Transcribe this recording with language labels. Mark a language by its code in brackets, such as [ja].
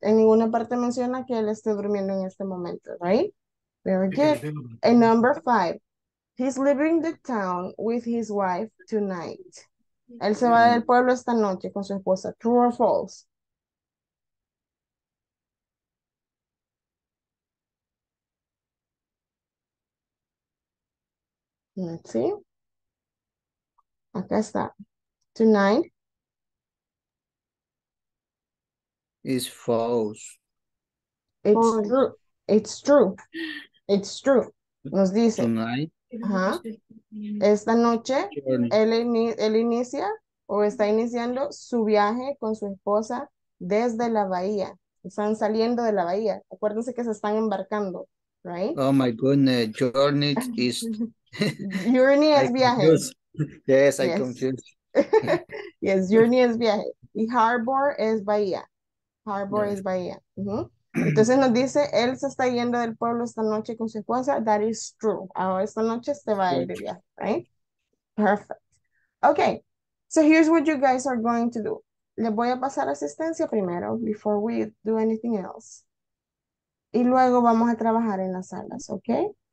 [es] En ninguna parte menciona que él esté durmiendo en este momento, [en] right? Very good. And number five. He's leaving the town with his wife tonight. [es] Él se va del pueblo esta noche con su esposa. [en] True or false? Let's see. [es] Acá está. [en] Tonight. It's false. It's true. It's true. It's true. [es] Nos dice. [en] Tonight. Uh-huh. [es] Esta noche él inicia o está iniciando su viaje con su esposa desde la bahía. Están saliendo de la bahía. Acuérdense que se están embarcando, [en] right? Oh my goodness, journey is [es] journey es viaje. [en] Yes, I confused. [es] Yes, journey es viaje. Y harbor es bahía. Harbor yes. Es bahía. Uh-huh. Entonces nos dice, él se está yendo del pueblo esta noche con su esposa. [en] That is true. [es] Ahora esta noche se va a ir de viaje, [en] right? Perfect. Okay, so here's what you guys are going to do. [es] Les voy a pasar asistencia primero, [en] before we do anything else. [es] Y luego vamos a trabajar en las salas, [en] okay?